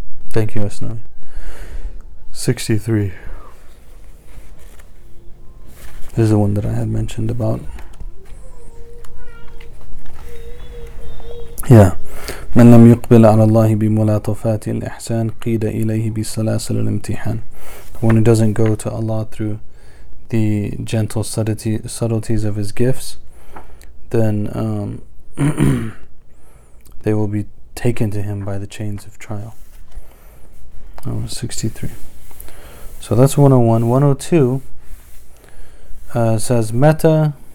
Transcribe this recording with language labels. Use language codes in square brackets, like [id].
[en] Thank you, Asnami. 63. This is the one that I had mentioned about. Yeah. [ar] من لم يقبل على الله بملاطفات الإحسان قيد إليه بسلاسل الامتحان. [en] The one who doesn't go to Allah through the gentle subtleties of His gifts, then they will be taken to Him by the chains of trial. 63. So that's 101. 102 says, Meta.